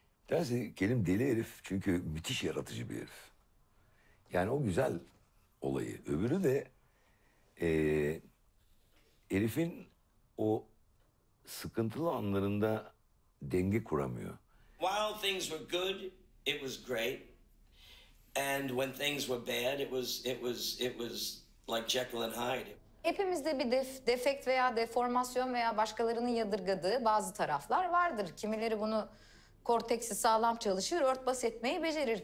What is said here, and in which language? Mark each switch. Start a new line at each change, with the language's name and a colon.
Turkish: Derse Kerim deli herif çünkü müthiş yaratıcı bir herif. Yani o güzel olayı. Öbürü de Elif'in o sıkıntılı anlarında denge kuramıyor.
English: While things were good, it was great. And when things were bad, it was like Jekyll and Hyde.
Turkish: Hepimizde bir defekt veya deformasyon veya başkalarının yadırgadığı bazı taraflar vardır. Kimileri bunu, korteksi sağlam çalışır, örtbas etmeyi becerir.